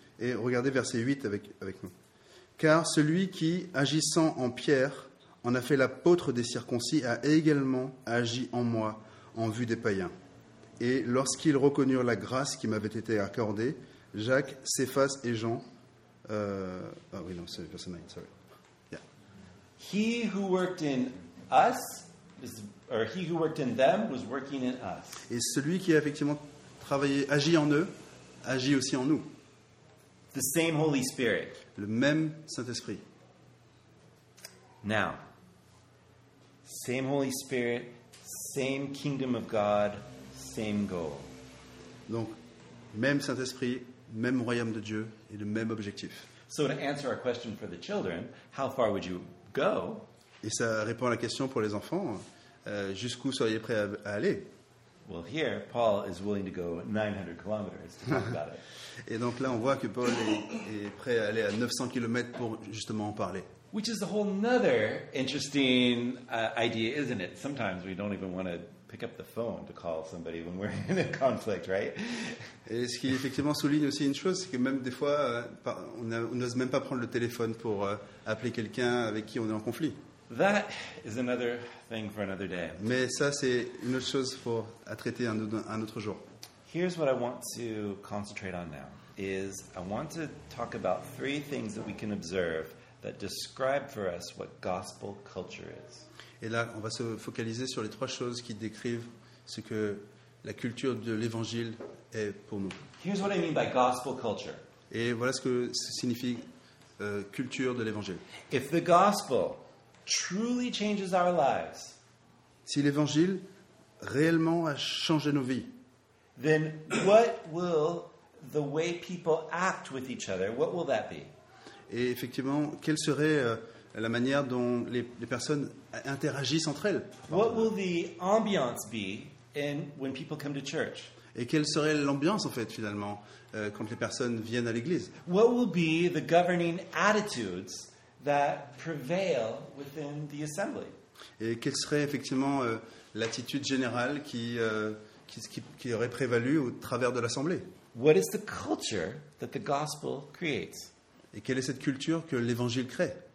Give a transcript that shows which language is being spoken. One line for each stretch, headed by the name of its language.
French: Et regardez verset 8 avec nous. Car celui qui, agissant en Pierre, en a fait l'apôtre des circoncis, a également agi en moi en vue des païens. Et lorsqu'ils reconnurent la grâce qui m'avait été accordée, Jacques, Céphas et Jean,
English: verse 9, sorry. Yeah. He who worked in us, or he who worked in them, was working in us.
French: Et celui qui a effectivement travaillé, agi en eux, agit aussi en nous.
English: The same Holy Spirit.
French: Le même Saint-Esprit.
English: Now, same Holy Spirit, same kingdom of God, same goal.
French: Donc, même Saint-Esprit, même royaume de Dieu et le même objectif.
English: So to answer our question for the children, how far would you go?
French: Et ça répond à la question pour les enfants, jusqu'où seriez prêts à aller?
English: Well, here Paul is willing to go 900 kilometers to talk about it.
French: Et donc là, on voit que Paul est prêt à aller à 900 km pour justement en parler.
English: Which is a whole another interesting idea, isn't it? Sometimes we don't even want to pick up the phone to call somebody when we're in a conflict, right?
French: Et ce qui effectivement souligne aussi une chose, c'est que même des fois, on n'ose même pas prendre le téléphone pour appeler quelqu'un avec qui on est en conflit.
English: That is another thing for another day.
French: Mais ça, c'est une autre chose à traiter un autre jour.
English: Here's what I want to concentrate on now, is I want to talk about three things that we can observe that describe for us what gospel culture is.
French: Et là, on va se focaliser sur les trois choses qui décrivent ce que la culture de l'évangile est pour nous.
English: Here's what I mean by gospel culture.
French: Et voilà ce que signifie culture de l'évangile.
English: If the gospel truly changes our lives,
French: si l'évangile réellement a changé nos vies,
English: then what will the way people act with each other, what will that be?
French: Et effectivement, quelle serait la manière dont les personnes interagissent entre elles?
English: What will the ambiance be in when people come to church?
French: Et quelle serait l'ambiance, en fait, finalement, quand les personnes viennent à l'église?
English: What will be the governing attitudes that prevail within the assembly?
French: Et quelle serait effectivement l'attitude générale qui aurait prévalu au travers de l'assemblée?
English: What is the culture that the gospel creates?
French: Et quelle est cette culture que l'évangile crée?